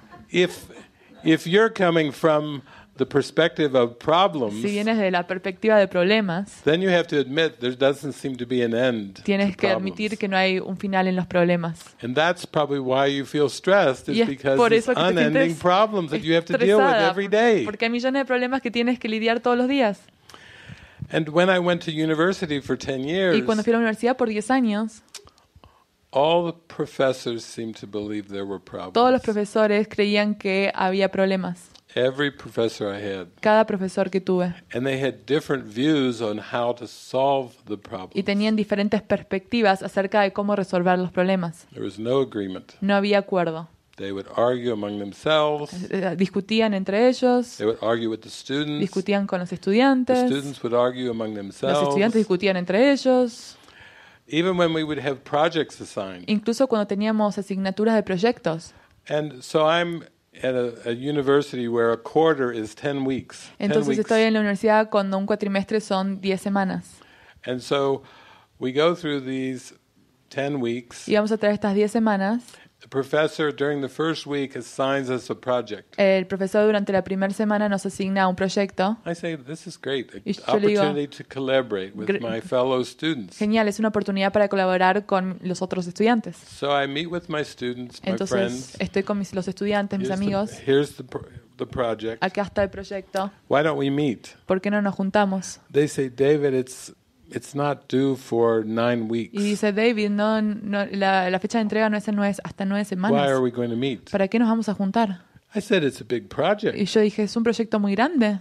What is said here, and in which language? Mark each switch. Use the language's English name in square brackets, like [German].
[English] If you're coming from the perspective of problems, [Spanish] si vienes de la perspectiva de problemas, [English] then you have to admit there doesn't seem to be an end. [Spanish] Tienes que admitir que no hay un final en los problemas. [English] And that's probably why you feel stressed, is because there's unending problems that you have to deal with every day. [Spanish] Porque hay millones de problemas que tienes que lidiar todos los días. [English] And when I went to university for 10 years, [Spanish] y cuando fui a la universidad por 10 años, [English] all the professors seemed to believe there were problems. [Spanish] Todos los profesores creían que había problemas. [English] Every professor I had. [Spanish] Cada profesor que tuve. [English] And they had different views on how to solve the problems. [Spanish] Y tenían diferentes perspectivas acerca de cómo resolver los problemas. [English] There was no agreement. [Spanish] No había acuerdo. [English] They would argue among themselves. [Spanish] Discutían entre ellos. [English] They would argue with the students. [Spanish] Discutían con los estudiantes. [English] The students would argue among themselves. [Spanish] Los estudiantes discutían entre ellos. [English] Even when we would have projects assigned. [Spanish] Incluso cuando teníamos asignaturas de proyectos. [English] And so I'm at a university where a quarter is 10 weeks. [Spanish] Entonces [English] 10 weeks. [Spanish] Estoy en la universidad cuando un cuatrimestre son 10 semanas. [English] And so we go through these 10 weeks. [Spanish] Y vamos a través de estas 10 semanas. [English] The professor during the first week assigns us a project. [Spanish] El profesor durante la primera semana nos asigna un proyecto. [English] I say this is great. Opportunity to collaborate with my fellow students. [Spanish] Genial, es una oportunidad para colaborar con los otros estudiantes. [English] So I meet with my students, [Spanish] entonces, [English] my friends. [Spanish] Entonces estoy con los estudiantes, [English] here's [Spanish] mis amigos. [English] Here's the project. [Spanish] Acá está el proyecto. [English] Why don't we meet? [Spanish] ¿Por qué no nos juntamos? [English] They say, David, it's not due for 9 weeks. [Spanish] Y dice David, no, la fecha de entrega no es hasta 9 semanas. [English] Why are we going to meet? [Spanish] ¿Para qué nos vamos a juntar? [English] I said it's a big project. [Spanish] Y yo dije, es un proyecto muy grande.